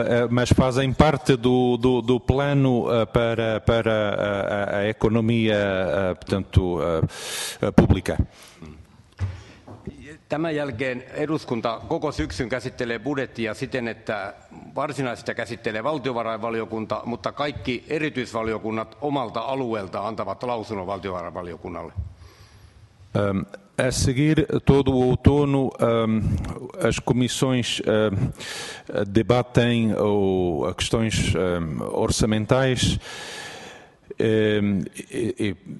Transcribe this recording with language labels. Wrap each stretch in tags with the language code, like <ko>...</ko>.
<pt>Mas fazem parte do plano para a economia, portanto, pública.</pt> <fi>Tämän jälkeen eduskunta koko syksyn käsittelee budjettia siten, että varsinaisesti käsittelee valtiovarainvaliokunta, mutta kaikki erityisvaliokunnat omalta alueelta antavat lausunnon valtiovarainvaliokunnalle.</fi> <pt>A seguir, todo o outono, as comissões debatem questões orçamentais e,</pt>